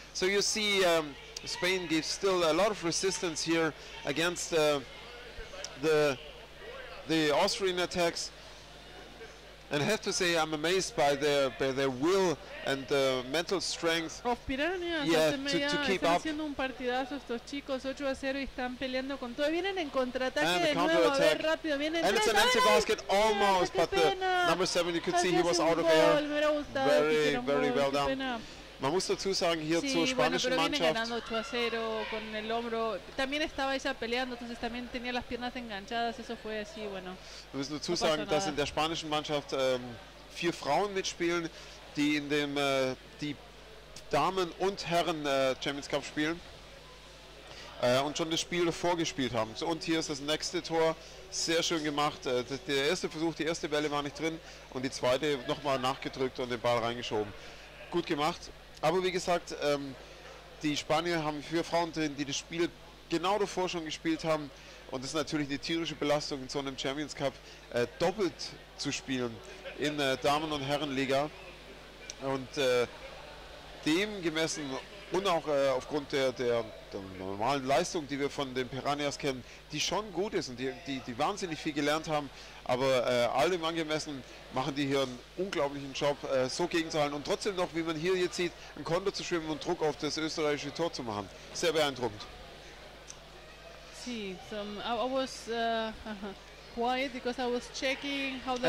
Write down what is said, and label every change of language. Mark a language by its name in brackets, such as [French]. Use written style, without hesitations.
[English] So you see Spain gives still a lot of resistance here against the Austrian attacks. And I have to say, I'm amazed by their will and the mental strength. Of Pirañas, to keep up. [Spanish] Haciendo un partidazo estos chicos, 8-0, y están peleando con todo. Vienen en contraataque de nuevo, a ver rápido, vienen. [English] And it's an empty basket almost, but the number 7, you could see he was out of air. Very, very well done. [German] Man muss dazu sagen, hier zur spanischen Mannschaft. [Spanish] Sí, bueno, pero vienen ganando 8-0 con el hombro. También estaba ella peleando, entonces también tenía las piernas enganchadas. Eso fue así, bueno. [German] Man muss dazu sagen, dass in der spanischen Mannschaft 4 Frauen mitspielen, die in dem die Damen und Herren Champions Cup spielen und schon das Spiel davor gespielt haben. So, und hier ist das nächste Tor, sehr schön gemacht. Der erste Versuch, die erste Welle war nicht drin und die zweite nochmal nachgedrückt und den Ball reingeschoben. Gut gemacht. Aber wie gesagt, die Spanier haben 4 Frauen drin, die das Spiel genau davor schon gespielt haben. Und das ist natürlich eine tierische Belastung, in so einem Champions Cup doppelt zu spielen in Damen- und Herrenliga. Und dem gemessen und auch aufgrund der normalen Leistung, die wir von den Pirañas kennen, die schon gut ist und die wahnsinnig viel gelernt haben, aber allem angemessen machen die hier einen unglaublichen Job, so gegenzuhalten und trotzdem noch, wie man hier jetzt sieht, einen Konter zu schwimmen und Druck auf das österreichische Tor zu machen. Sehr beeindruckend. [English] Sí, I was quiet because I was checking how the